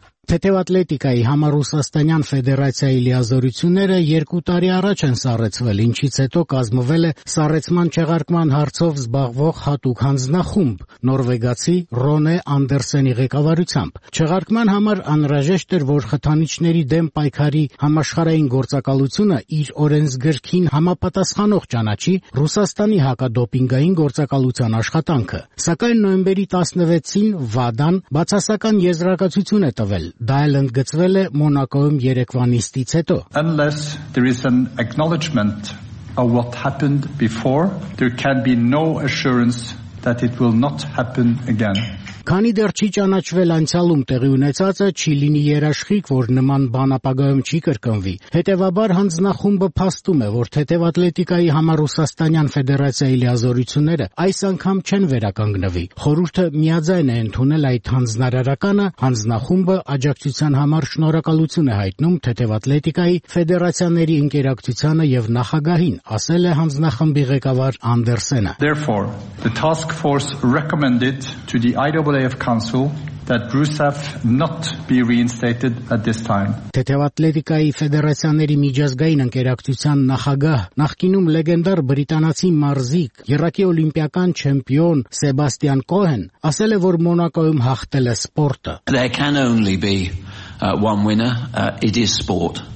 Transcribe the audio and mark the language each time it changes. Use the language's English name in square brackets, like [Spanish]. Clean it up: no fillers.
[Armenian] Թեթև ատլետիկայի համար Ռուսաստանյան ֆեդերացիայի լիազորությունները 2 տարի առաջ են սառեցվել, ինչից հետո կազմվել է սառեցման չեղարկման հարցով զբաղվող հատուկ հանձնախումբ Նորվեգացի Ռոնե Անդերսենի ղեկավարությամբ։ Չեղարկման համար անհրաժեշտ էր, որ խթանիչների դեմ պայքարի համաշխարհային գործակալությունը իր օրենսգրքին համապատասխանող ճանաչի Ռուսաստանի հակադոպինգային գործակալության աշխատանքը։ Սակայն նոյեմբերի 16-ին ՎԱԴԱ-ն բացասական եզրակացություն է տվել։ Դա էլ ընդգծվել է Մոնակոյում Երևան նիստից հետո։ [English] Unless there is an acknowledgement of what happened before, there can be no assurance that it will not happen again. [Armenian] Քանի դեռ չի ճանաչվել անցյալում տեղի ունեցածը, չի լինի երաշխիք, որ նման բան ապագայում չի կրկնվի։ Հետևաբար հանձնախումբը փաստում է, որ թեթև ատլետիկայի համար Ռուսաստանյան ֆեդերացիայի լիազորությունները այս անգամ չեն վերականգնվի։ Խորհուրդը միաձայն է ընդունել այդ հանձնարարականը։ Հանձնախումբը աջակցության համար շնորհակալություն է հայտնում թեթև ատլետիկայի ֆեդերացիաների ինտերակցիանը եւ նախագահին, ասել է հանձնախմբի ղեկավար Անդերսենը։ [English] Therefore, the task force recommended to the IAAF Council that RUSAF not be reinstated at this time. [Armenian] Թեթև ատլետիկայի ֆեդերացիաների միջազգային ընկերակցության նախագահ, նախկինում լեգենդար բրիտանացի մարզիկ, երկրի օլիմպիական չեմպիոն Սեբաստիան Կոհեն, ասել է, որ Մոնակոյում հաղթել է սպորտը։ [English] There can only be one winner. It is sport.